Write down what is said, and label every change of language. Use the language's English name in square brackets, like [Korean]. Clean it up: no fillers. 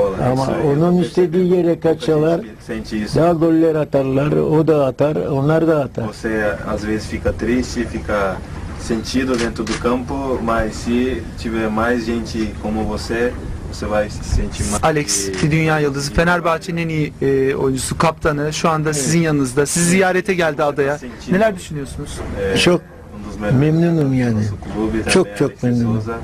[Turkish] Ama onun istediği yere kaçarlar, daha goller atarlar, o da atar, onlar da atar. [Portuguese] Você às vezes fica triste, fica sentido dentro do campo, mas se tiver mais gente como você, você vai se sentir mais. [Turkish] Alex, dünya yıldızı, Fenerbahçe'nin en iyi oyuncusu, kaptanı, şu anda sizin yanınızda, sizi ziyarete geldi adaya. Neler düşünüyorsunuz? Çok memnunum yani, çok çok memnunum.